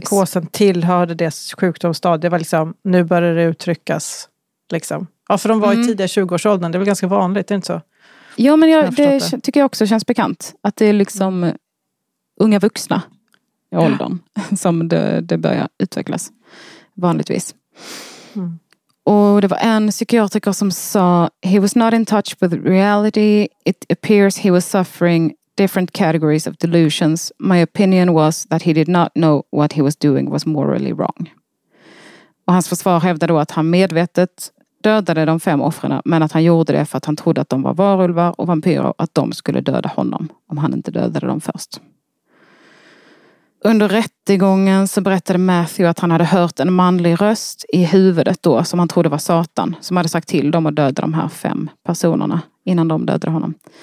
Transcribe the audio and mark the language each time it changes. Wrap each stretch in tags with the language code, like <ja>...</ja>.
<sv>Psykosen tillhörde det sjukdomsstadiet. Det var liksom, nu börjar det uttryckas. Liksom. Ja, för de var i tidiga 20-årsåldern. Det är väl ganska vanligt, det är inte så? Ja, men jag tycker jag också känns bekant. Att det är liksom unga vuxna i åldern, ja, som det börjar utvecklas. Vanligtvis. Mm. Och det var en psykiatriker som sa,</sv> <en>he was not in touch with reality. It appears he was suffering different categories of delusions. My opinion was that he did not know what he was doing was morally wrong.</en> <sv>Och hans försvar hävdade då att han medvetet dödade de 5 offren, men att han gjorde det för att han trodde att de var varulvar och vampyrer och att de skulle döda honom om han inte dödade dem först. Under rättegången så berättade Matthew att han hade hört en manlig röst i huvudet då som han trodde var Satan, som hade sagt till dem att döda de här 5 personerna innan de dödade honom.</sv>